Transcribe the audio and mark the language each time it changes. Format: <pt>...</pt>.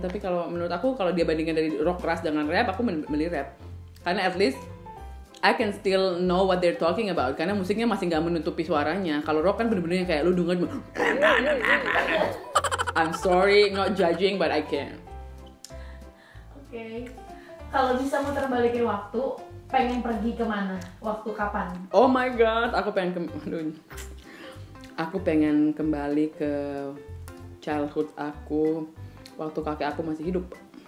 <id>Tapi kalau menurut aku, kalau dia bandingkan dari rock keras dengan rap, aku milih rap. Karena</id> <en>at least I can still know what they're talking about.</en> <id>Karena musiknya masih enggak menutupi suaranya. Kalau rock kan benar-benar kayak lu denger.</id> <en>I'm sorry, not judging, but I can.</en> <id>Okay. Kalau bisa muter balikin waktu, pengen pergi kemana? Waktu kapan?</id> <en>Oh my god,</en> <id>aku pengen kembali ke childhood aku, waktu kakek aku masih hidup.</id>